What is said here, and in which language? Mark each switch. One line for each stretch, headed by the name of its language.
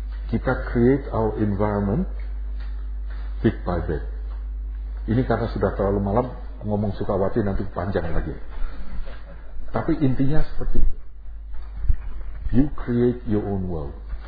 English: Kita create our environment bit by bit.
Indonesian: Ini karena sudah terlalu malam, ngomong Sukawati nanti panjang lagi. Tapi intinya seperti itu.
English: You create your own world.